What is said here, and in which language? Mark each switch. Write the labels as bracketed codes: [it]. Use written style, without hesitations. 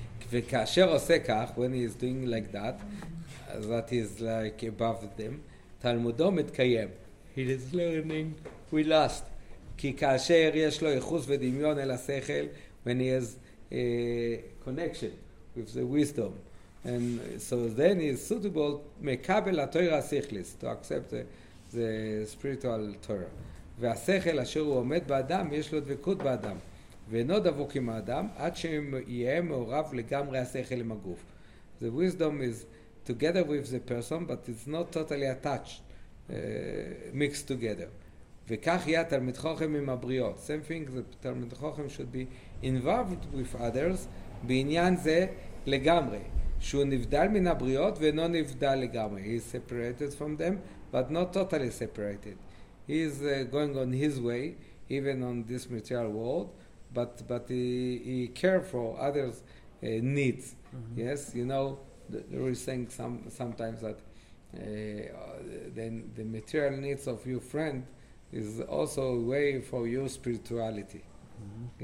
[he] וכאשר עושה כך, [en] when he is doing like that, that is like above them, [he] תלמודו מתקיים. [en] He is learning. We lost. [he] כי כאשר יש לו יחוס ודמיון אל השכל, [en] when he has a connection with the wisdom. And so then he is suitable, [he] מקבל התורה השכלית, [en] to accept the spiritual Torah. [he] והשכל אשר הוא עומד באדם, יש לו דבקות באדם. ואינו דבוק עם האדם, עד שהם יהיה מעורב לגמרי השכל עם הגוף. [en] The wisdom is together with the person, but it's not totally attached, mixed together. [he] וכך יהיה תלמיד חוכם עם הבריאות. [en] Same thing, the [he] תלמיד חוכם [en] should be involved with others, [he] בעניין זה לגמרי, שהוא נבדל מן הבריאות ואינו נבדל לגמרי. [en] He is separated from them, but not totally separated. He is going on his way, even on this material world, but he care for others' needs. Mm-hmm. Yes, you know, there is saying sometimes that then the material needs of your friend is also a way for your spirituality. Mm-hmm.